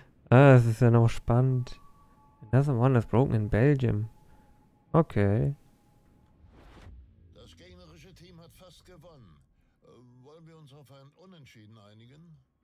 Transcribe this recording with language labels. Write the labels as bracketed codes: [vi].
[de] Das ist ja noch spannend. [en] Another one is broken in Belgium. Okay. [de] Das gegnerische Team hat fast gewonnen. Wollen wir uns auf ein Unentschieden einigen?